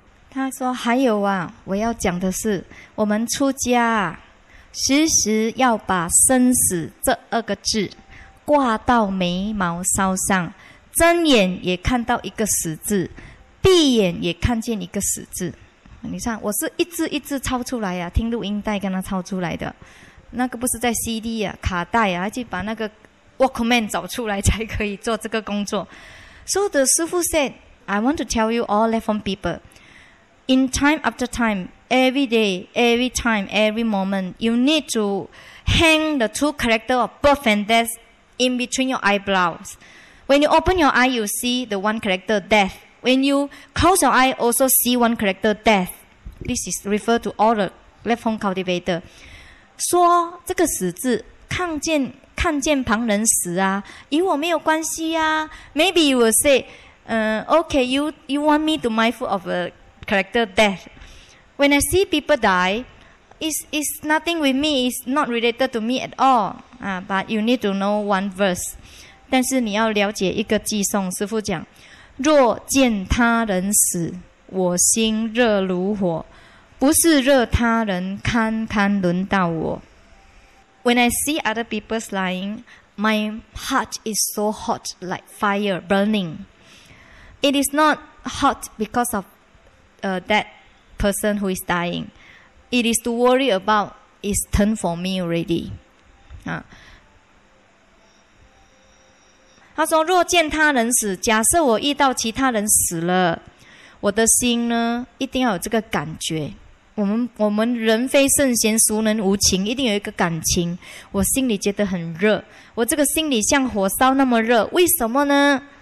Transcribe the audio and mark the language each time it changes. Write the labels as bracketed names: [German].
[Chinese] 他说还有啊，我要讲的是我们出家时时要把生死这二个字挂到眉毛梢上，睁眼也看到一个死字，闭眼也看见一个死字。你看我是一字一字抄出来啊，听录音带跟他抄出来的，那个不是在 CD 啊卡带啊，去把那个 Walkman 找出来才可以做这个工作。 [English] So the 师父 said I want to tell you all left home people,In time after time, every day, every time, every moment, you need to hang the two characters of birth and death in between your eyebrows. When you open your eye, you see the one character, death. When you close your eye, also see one character, death. This is referred to all the left home cultivator. [Chinese] 说这个死字，看见旁人死啊，与我没有关系啊。 [English] Maybe you will say, okay, you want me to mindful of a character death. When I see people die, it's nothing with me, it's not related to me at all. But you need to know one verse. [Chinese] 但是你要了解一个偈颂，师父讲，若见他人死，我心热如火，不是热他人，堪堪轮到我。 [English] When I see other people's lying, my heart is so hot like fire burning. It is not hot because ofthat person who is dying. It is to worry about it's turn for me already. [Chinese] 他说若见他人死，假设我遇到其他人死了，我的心呢一定要有这个感觉。我们人非圣贤，孰能无情，一定有一个感情，我心里觉得很热，我这个心里像火烧那么热，为什么呢？